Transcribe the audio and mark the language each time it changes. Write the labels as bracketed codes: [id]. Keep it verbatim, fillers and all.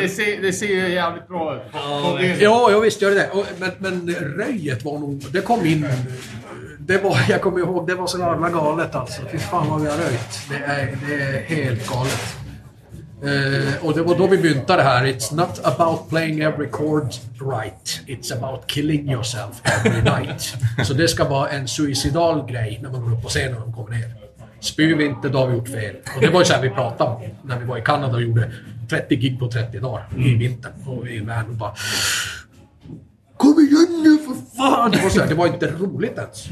[sv] röj... ser, det ser ju jävligt bra ut. Ja, Det- Ja, jag visste det. Och, men, men röjet var nog... Det kom in... Det var, jag kommer ihåg, det var så jävla galet alltså. Fy fan vad vi har röjt. Det är, det är helt galet. Eh, och det var då vi myntade det här. [en] It's not about playing every chord right. It's about killing yourself every night. [sv] Så det ska vara en suicidal grej när man går upp på scenen och de kommer ner. Spyr vi inte, då har vi gjort fel. Och det var ju så här vi pratade om när vi var i Kanada och gjorde trettio gig på trettio dagar i vintern. Och i världen och bara... Kom igen nu för fan! Det var, så här, det var inte roligt ens.